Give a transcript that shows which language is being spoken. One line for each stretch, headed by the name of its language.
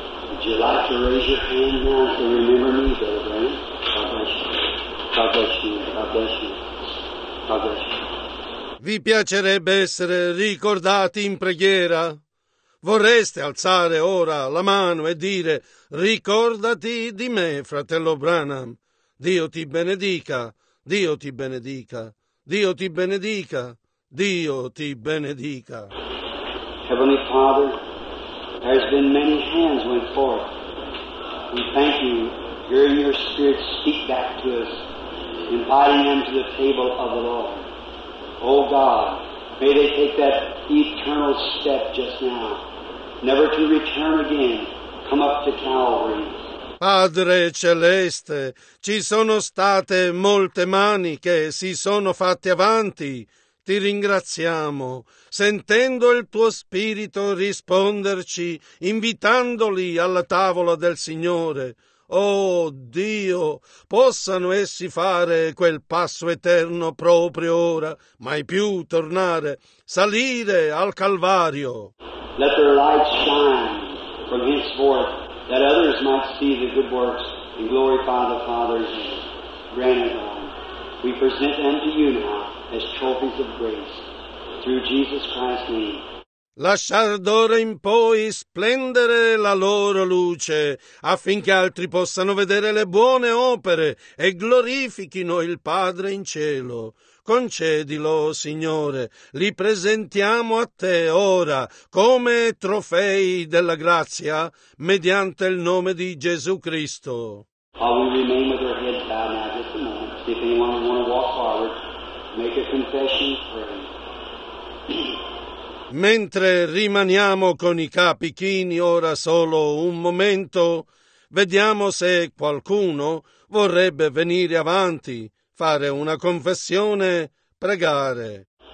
English: Would you like to raise your hand now to remember me, Brother Branham? God bless you. God bless you. God bless you. God bless you.
Italian: Vi piacerebbe essere ricordati in preghiera? Vorreste alzare ora la mano e dire: ricordati di me, fratello Branham. Dio ti benedica, Dio ti benedica, Dio ti benedica, Dio ti benedica.
English: Heavenly Father, there has been many hands went forth. We thank you, hearing your spirit speak back to us, inviting them to the table of the Lord. Oh God, may they take that eternal step just now, never to return again, come up to Calvary.
Italian: Padre Celeste, ci sono state molte mani che si sono fatte avanti. Ti ringraziamo, sentendo il tuo Spirito risponderci, invitandoli alla tavola del Signore. Oh Dio, possano essi fare quel passo eterno proprio ora, mai più tornare, salire al Calvario.
English: Let their light shine from henceforth, that others might see the good works and glorify the Father's name. Grant it, Lord. We present them to you now as trophies of grace, through Jesus Christ's name.
Italian: Lasciar d'ora in poi splendere la loro luce, affinché altri possano vedere le buone opere e glorifichino il Padre in cielo. Concedilo, Signore, li presentiamo a te ora come trofei della grazia, mediante il nome di Gesù Cristo.
English: I will remain with our heads bowed now just a moment. If anyone want to walk forward, make a confession of prayer.
Italian: Mentre rimaniamo con i capi chini ora solo un momento, vediamo se qualcuno vorrebbe venire avanti, fare una confessione, pregare.